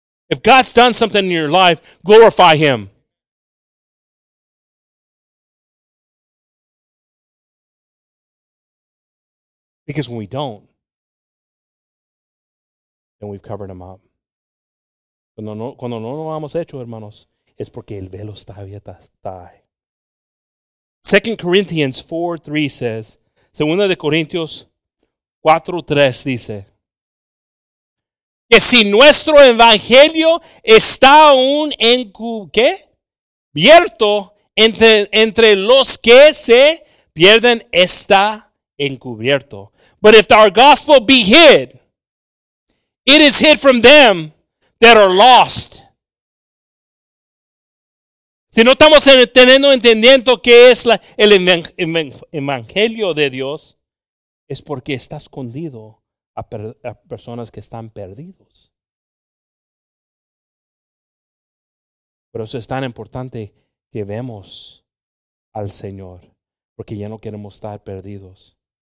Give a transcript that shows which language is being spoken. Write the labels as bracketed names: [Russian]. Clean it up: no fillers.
[English] If God's done something in your life, glorify him. Because when we don't, then we've covered him up. [Spanish] Cuando no lo hemos hecho, hermanos, es porque el velo está abierto. [English] 2 Corinthians 4:3 says, [Spanish] 2 Corintios 4:3 dice, que si nuestro evangelio está aún encubierto entre los que se pierden, está encubierto. [English] But if our gospel be hid, it is hid from them that are lost. [Spanish] Si no estamos teniendo entendiendo qué es el evangelio de Dios, es porque está escondido a personas que están perdidos. Por eso es tan importante que vemos al Señor, porque ya no queremos estar perdidos.